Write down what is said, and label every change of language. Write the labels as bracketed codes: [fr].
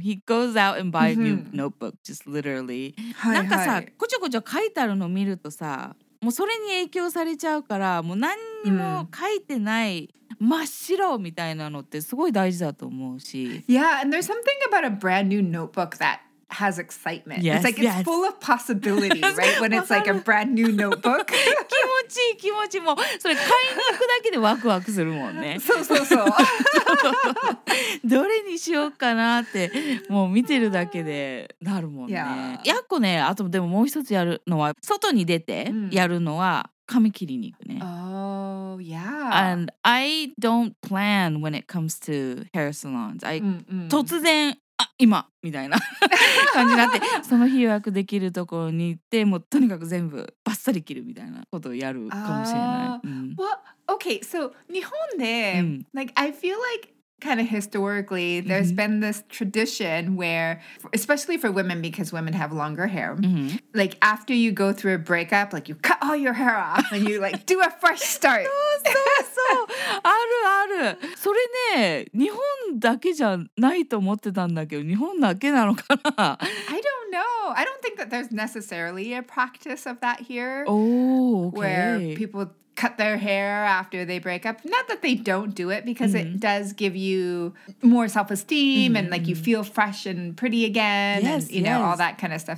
[en] He goes out and buys new notebook, just literally. [ja] なんかさ、こちょこちょ書いてあるの見るとさ、もうそれに影響されちゃうから、もう何にも書いてない真っ白みたいなのってすごい大事だと思うし。 [en] Yeah, and there's something about a brand new notebook that has excitement. Yes, it's like it's yes. full of possibility, right? When it's like a brand new notebook. [ja] 気持ちいい気持ちもそれ買いに行くだけでワクワクするもんね。そうそうそう。どれにしようかなってもう見てるだけでなるもんね。 [en] Yeah. [ja] やっこね、あとでももう一つやるのは外に出てやるのは髪切りに行くね。 [en] Oh, yeah. And I don't plan when it comes to hair salons. [ja] I 突然今みたいな感じになってその日予約できるところに行ってもうとにかく全部バッサリ切るみたいなことをやるかもしれない。 [en] Well, okay, so [ja] 日本で、 [en] like, I feel like kind of historically there's been this tradition where, especially for women because women have longer hair, like after you go through a breakup, like you cut all your hair off and you like do a fresh start. [ja] そうそうそう。あるある。それね、日本だけじゃないと思ってたんだけど、日本だけなのかな。 [en] I don't know. I don't think that there's necessarily a practice of that here. Oh, okay. Where people cut their hair after they break up. Not that they don't do it, because it does give you more self-esteem and like you feel fresh and pretty again, yes, and, you know, all that kind of stuff.